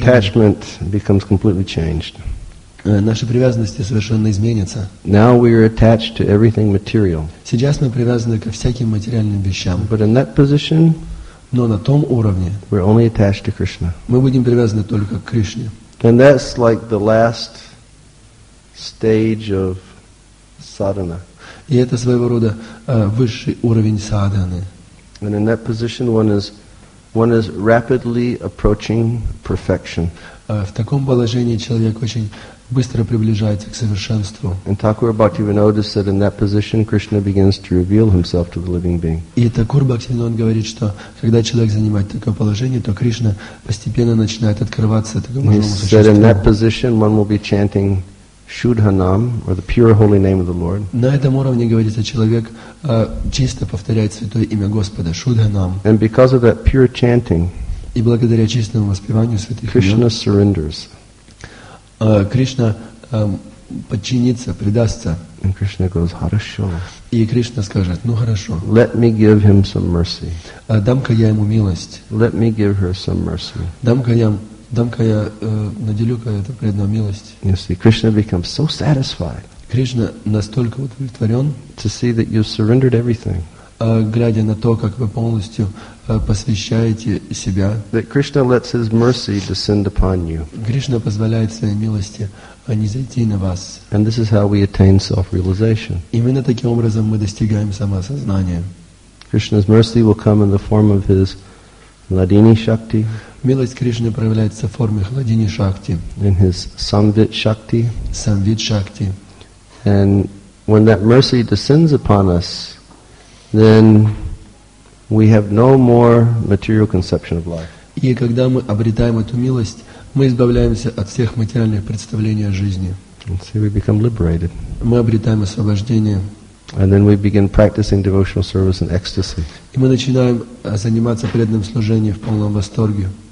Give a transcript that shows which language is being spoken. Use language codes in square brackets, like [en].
[en] the attachment becomes completely changed. [ru] Наши привязанности совершенно изменятся. [en] Now we are attached to everything material. [ru] Сейчас мы привязаны ко всяким материальным вещам. [en] But in that position, [ru] но на том уровне, [en] we're only attached to Krishna. [ru] Мы будем привязаны только к Кришне. [en] And that's like the last stage of sadhana. [ru] И это своего рода высший уровень садханы. [en] And in that position one is rapidly approaching perfection. [ru] В таком положении человек очень быстро приближается к совершенству. [en] And Thakur Bhaktivinoda noticed that in that position Krishna begins to reveal himself to the living being. [ru] И Thakur Bhaktivinoda говорит, что когда человек занимает такое положение, то Кришна постепенно начинает открываться такому живому существу. [en] He said in that position one will be chanting Shuddhanam, or the pure holy name of the Lord. [ru] На этом уровне, говорится, человек чисто повторяет святое имя Господа, Шудханам. [en] And because of that pure chanting, [ru] и благодаря чистому воспеванию святых [en] Krishna [ru] имен, [en] surrenders. [ru] Кришна подчинится, предастся. [en] And Krishna goes, [ru] хорошо. И Кришна скажет, ну хорошо. [en] Let me give him some mercy. [ru] Дам-ка я ему милость. [en] Let me give her some mercy. [ru] Дам-ка я наделю-ка эту преданную милость. [en] You see, Krishna becomes so satisfied. [ru] Кришна настолько удовлетворен. [en] To see that you surrendered everything. [ru] Глядя на то, как вы полностью посвящаете себя. [en] That Krishna lets his mercy descend upon you. [ru] Кришна позволяет своей милости низойти на вас. [en] And this is how we attain self-realization. [ru] Именно таким образом мы достигаем самосознания. [en] Krishna's mercy will come in the form of his Ladini Shakti. [ru] Милость Кришны проявляется в форме Хладини Шакти. [en] In his Samvit Shakti. [ru] Samvit Shakti. [en] And when that mercy descends upon us, then we have no more material conception of life. [ru] И когда мы обретаем эту милость, мы избавляемся от всех материальных представлений о жизни. [en] And so we become liberated. [ru] Мы обретаем освобождение. [en] And then we begin practicing devotional service in ecstasy. [ru] И мы начинаем заниматься преданным служением в полном восторге.